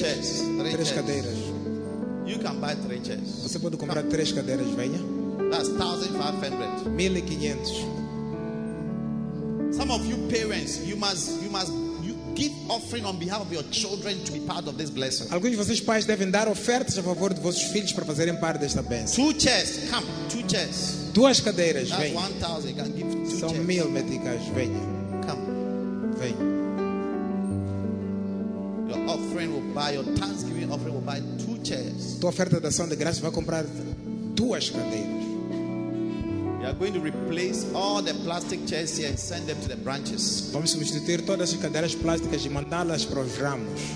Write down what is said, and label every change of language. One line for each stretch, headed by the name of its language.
English: 3 chairs.
Portuguese: 3 cadeiras.
English: You can buy 3 chairs.
Portuguese: Você pode comprar 3 cadeiras, venha.
English: That's 1500.
Portuguese: 1500.
English: Some of you parents, you must give offering on behalf of your children to be part of this blessing.
Portuguese: Alguns de vocês pais devem dar ofertas a favor de vossos filhos para fazerem parte desta bênção.
English: 2 chairs, come. 2 chairs.
Portuguese: 2 cadeiras,
English: that's
Portuguese: venha.
English: 1000, you can give 2
Portuguese: São
English: chairs.
Portuguese: São 1000 meticais, venha.
English: Your offering will buy, your Thanksgiving offering will buy 2 chairs.
Portuguese: Tua oferta de ação de graça vai comprar 2 cadeiras.
English: You are going to replace all the plastic chairs here and send them to the branches.
Portuguese: Vamos substituir todas as cadeiras plásticas e mandá-las para os ramos.